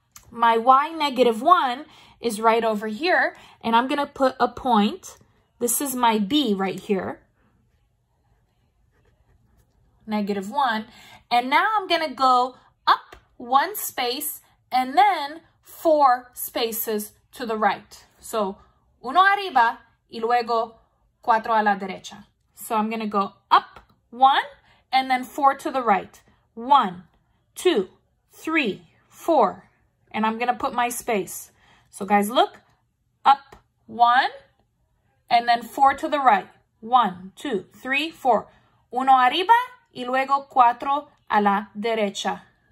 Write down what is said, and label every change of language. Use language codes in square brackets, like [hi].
[en] My y negative 1 is right over here. And I'm going to put a point. This is my B right here. Negative 1. And now I'm going to go up 1 space. And then 4 spaces to the right. [es] So, uno arriba y luego 4 a la derecha. [en] So I'm going to go up 1 and then 4 to the right. 1, 2, 3, 4. And I'm going to put my space. So guys, look. Up 1 and then 4 to the right. 1, 2, 3, 4. [es] Uno arriba y luego 4 a la derecha.